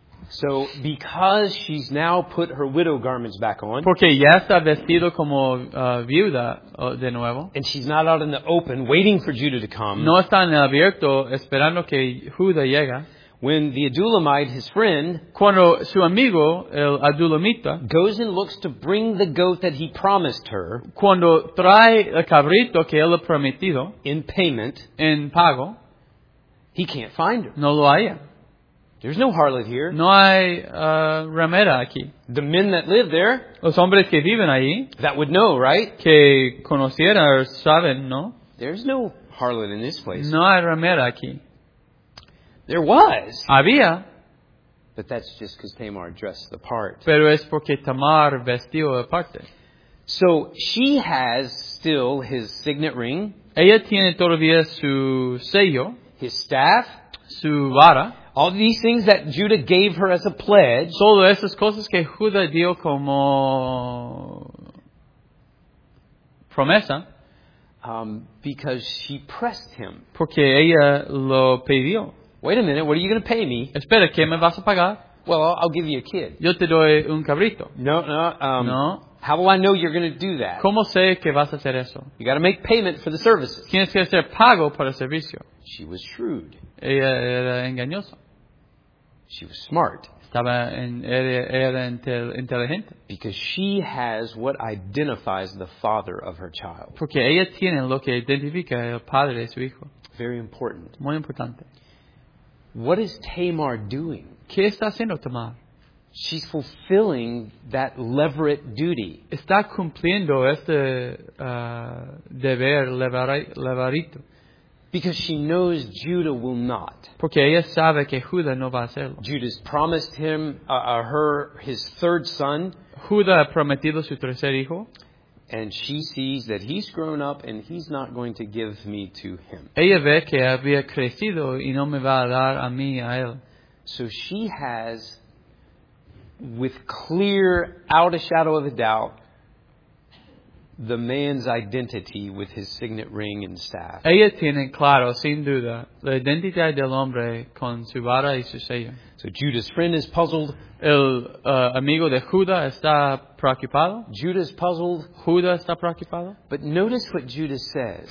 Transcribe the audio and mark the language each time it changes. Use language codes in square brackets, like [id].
[en] So, because she's now put her widow garments back on. [es] Porque ya está vestido como viuda de nuevo. [en] And she's not out in the open waiting for Judah to come. [es] No está en el abierto esperando que Judah llegue. [en] When the Adullamite, his friend, [es] cuando su amigo, el Adullamita, [en] goes and looks to bring the goat that he promised her, [es] cuando trae el cabrito que él ha prometido, [en] in payment, [es] en pago, [en] he can't find her. [es] No lo haya. [en] There's no harlot here. [es] No hay ramera aquí. [en] The men that live there, [es] los hombres que viven allí, [en] that would know, right? [es] Que conocieran o saben, ¿no? [en] There's no harlot in this place. [es] No hay ramera aquí. [en] There was. [es] Había. [en] But that's just because Tamar dressed the part. [es] Pero es porque Tamar vestió la parte. [en] So she has still his signet ring. [es] Ella tiene todavía su sello. [en] His staff. [es] Su vara. [en] All these things that Judah gave her as a pledge. [es] Solo esas cosas que Judah dio como promesa. [en] Because she pressed him. [es] Porque ella lo pidió. [en] Wait a minute, what are you going to pay me? [es] Espera, ¿qué me vas a pagar? [en] Well, I'll give you a kid. [es] Yo te doy un cabrito. [en] No. How will I know you're going to do that? [es] ¿Cómo sé que vas a hacer eso? [en] You got to make payment for the services. [es] Tienes que hacer pago por el servicio. [en] She was shrewd. [es] Ella era engañosa. [en] She was smart. [es] Estaba en, era inteligente. [en] Because she has what identifies the father of her child. [es] Porque ella tiene lo que identifica el padre de su hijo. [en] Very important. [es] Muy importante. [en] What is Tamar doing? [es] ¿Qué está haciendo Tamar? [en] She's fulfilling that levirate duty. [es] Está cumpliendo este deber levarito. [en] Because she knows Judah will not. [es] Porque ella sabe que Judah no va a hacerlo. [en] Judah's promised him, her, his third son. [es] Judah ha prometido su tercer hijo. [en] And she sees that he's grown up and he's not going to give me to him. [es] Ella ve que había crecido y no me va a dar a mí, a él. [en] So she has, with clear, out of shadow of a doubt, the man's identity with his signet ring and staff. [es] Ella tiene claro, sin duda, la identidad del hombre con su vara y su sello. [en] So Judah's friend is puzzled. [es] El amigo de Judah está preocupado. [en] Judah's puzzled. [es] Judah está preocupado. [en] But notice what Judah says.